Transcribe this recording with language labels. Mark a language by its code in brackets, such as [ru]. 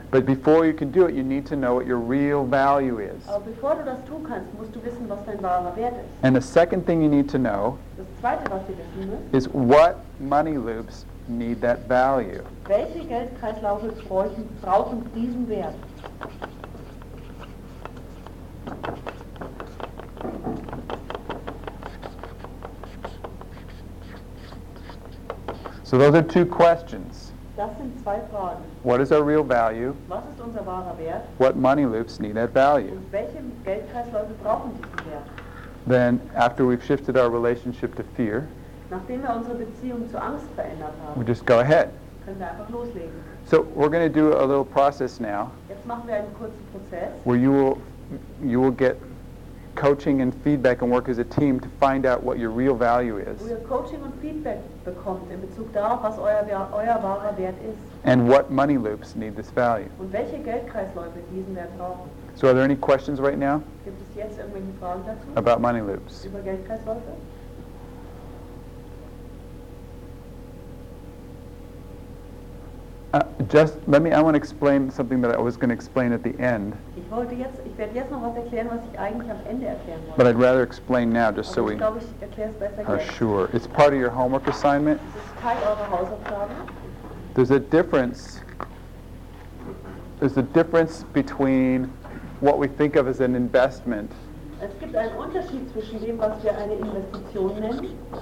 [en] But before you can do it, you need to know what your real value is. [de] Aber bevor du das tun kannst, musst du wissen, was dein wahrer Wert ist. [en] And the second thing you need to know, [de] das zweite, was du wissen musst, [en] is what money loops need that value. [de] Welche Geldkreislaufe brauchen diesen Wert? [en] So those are two questions. [de] Das sind zwei Fragen. [en] What is our real value? [de] Was ist unser wahrer Wert? [en] What money loops need that value? [de] Und welche Geldkreisläufe brauchen diesen Wert? [en] Then, after we've shifted our relationship to fear, [de] nachdem wir unsere Beziehung zur Angst verändert haben, [en] we just go ahead. [de] Können wir einfach loslegen. [en] So we're going to do a little process now. [de] Jetzt machen wir einen kurzen Prozess. [en] Where you will get coaching and feedback and work as a team to find out what your real value is. [de] Wo ihr Coaching und Feedback bekommt in Bezug darauf, was euer wahrer Wert ist. [en] And what money loops need this value. [de] Und welche Geldkreisläufe diesen Wert brauchen. [en] So are there any questions right now? [de] Gibt es jetzt irgendwelche Fragen dazu? [en] About money loops. [de] Über Geldkreisläufe? [en] I want to explain something that I was going to explain at the end. [de] Ich werde jetzt noch was erklären, was ich eigentlich am Ende erklären wollte. [en] But I'd rather explain now, just [de] aber ich [en] we [de] glaube, ich erkläre es besser [en] are jetzt. Sure. It's part of your homework assignment. [de] Es ist Teil eurer Hausaufgaben. [en] There's a difference between what we think of as an investment. [de] Es gibt einen Unterschied zwischen dem, was wir eine Investition nennen,